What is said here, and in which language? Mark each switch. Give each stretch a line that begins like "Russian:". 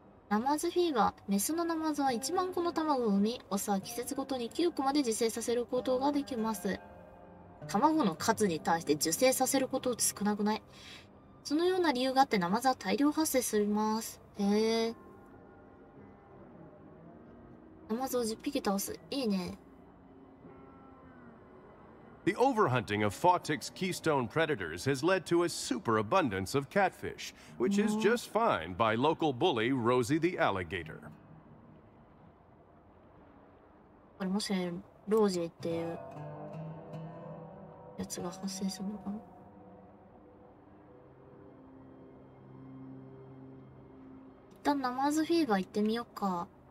Japanese: ナマズフィーバー、メスのナマズは1万個の卵を産み、オスは季節ごとに9個まで受精させることができます。卵の数に対して受精させること少なくない？そのような理由があってナマズは大量発生します。へえ。ナマズを10匹倒す、いいね。
English: The overhunting of Fautik's keystone predators has led to a superabundance of catfish, which is just fine by local bully Rosie the Alligator.
Japanese: これもしロージーっていうやつが発生するのかな。一旦ナマズフィーバー行ってみようか。